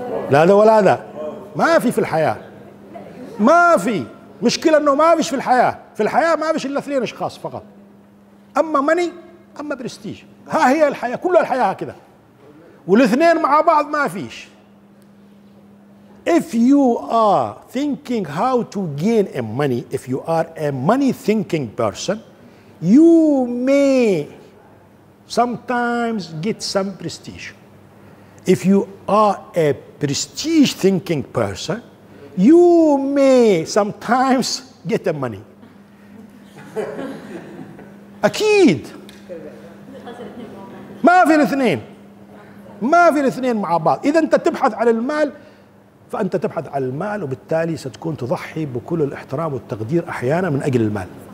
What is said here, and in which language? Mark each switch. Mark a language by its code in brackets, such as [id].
[ar] لا هذا ولا هذا، ما في في الحياة، ما في مشكلة أنه ما فيش في الحياة، في الحياة ما فيش إلا اثنين أشخاص فقط، أما ماني أما برستيج، ها هي الحياة كلها الحياة هكذا، والاثنين مع بعض ما فيش. [en] If you are thinking how to gain a money, if you are a money thinking person, you may sometimes get some prestige. If you are a prestige thinking person, you may sometimes get the money. [ar] أكيد ما في الاثنين، ما في الاثنين مع بعض. إذا أنت تبحث على المال فأنت تبحث على المال، وبالتالي ستكون تضحي بكل الاحترام والتقدير أحيانا من أجل المال.